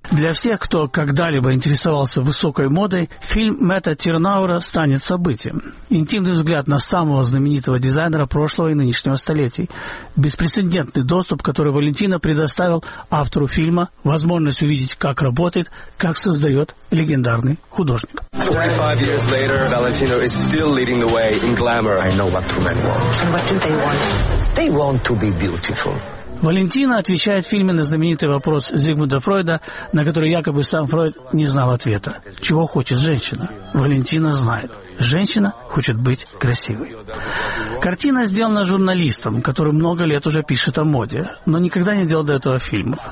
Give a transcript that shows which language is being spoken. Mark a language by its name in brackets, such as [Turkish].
[Russian] Для всех, кто когда-либо интересовался высокой модой, фильм Мэтта Тернаура станет событием. Интимный взгляд на самого знаменитого дизайнера прошлого и нынешнего столетий. Беспрецедентный доступ, который Валентино предоставил автору фильма, возможность увидеть, как работает, как создает легендарный художник. [English] 45 years later, Valentino is still leading the way in glamour. I know what true men want. And what do they want? They want to be beautiful. [Russian] Валентино отвечает в фильме на знаменитый вопрос Зигмунда Фрейда, на который якобы сам Фрейд не знал ответа. Чего хочет женщина? Валентино знает. Женщина хочет быть красивой. Картина сделана журналистом, который много лет уже пишет о моде, но никогда не делал до этого фильмов.